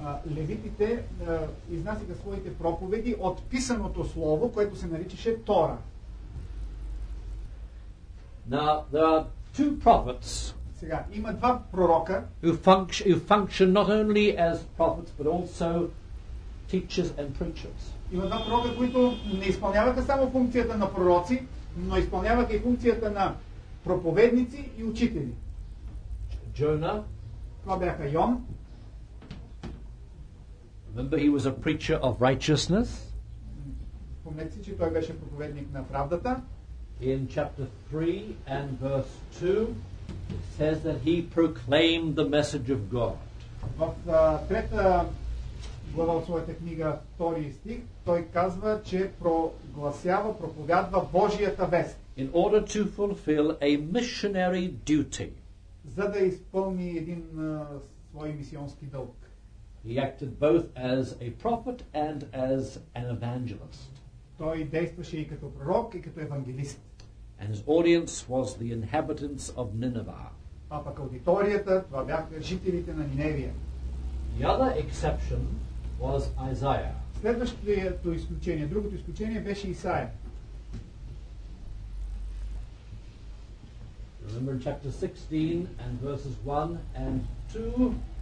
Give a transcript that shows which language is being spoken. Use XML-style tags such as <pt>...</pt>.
<bg>Левитите изнасяха своите проповеди от писаното слово, което се наричаше Тора.</bg> <en>Now, there are two prophets.</en> <bg>Сега има два пророка,</bg> <en>who function not only as prophets but also teachers and preachers.</en> <bg>Има два пророка, които не изпълняваха само функцията на пророци, но изпълняваха и функцията на проповедници и учители. Джона, това бяха Йон.</bg> <en>Remember, he was a preacher of righteousness.</en> <bg>Помнете си, че той беше проповедник на правдата.</bg> <en>In chapter 3 and verse 2, it says that he proclaimed the message of God.</en> <bg>В трета глава от своята книга, 2 стих, той казва, че прогласява, проповядва Божията вест.</bg> <en>In order to fulfill a missionary duty.</en> <bg>За да изпълни един свой мисионски дълг.</bg> <en>He acted both as a prophet and as an evangelist.</en> <bg>Той действаше и като пророк, и като евангелист.</bg> <en>And his audience was the inhabitants of Nineveh.</en> <bg>А пък аудиторията, това бяха жителите на Ниневия.</bg> <en>The other exception was Isaiah.</en> <bg>Следващото изключение, другото изключение беше Исаия.</bg> <en>Remember in chapter 16 and verses 1 and 2.</en>